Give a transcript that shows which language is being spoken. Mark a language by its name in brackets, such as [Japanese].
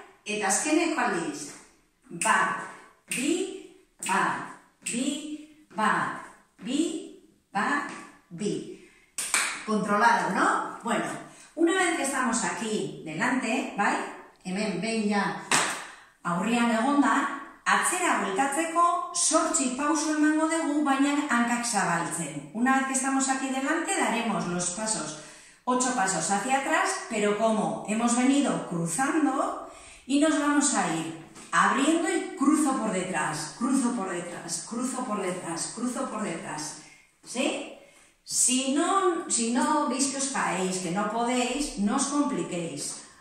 [Basque] Eta azkeneko aldiz. Ba, bi, ba, bi, ba, bi, ba, bi. [Spanish] Controlado, ¿no? Bueno, una vez que estamos aquí delante, ¿vale? [Basque] Hemen, ben ya, aurrian egonda, atzera, [Spanish] vuelta [Basque] aldatzeko 8 pauso emango dugu, baina hankak zabaltzen. [Spanish] Una vez que estamos aquí delante, daremos los pasos, 8 pasos hacia atrás, pero como hemos venido cruzando y nos vamos a ir abriendo y cruzo por detrás, cruzo por detrás, cruzo por detrás, cruzo por detrás. ¿Sí? Si no veis que os caéis, que no podéis, no os compliquéis.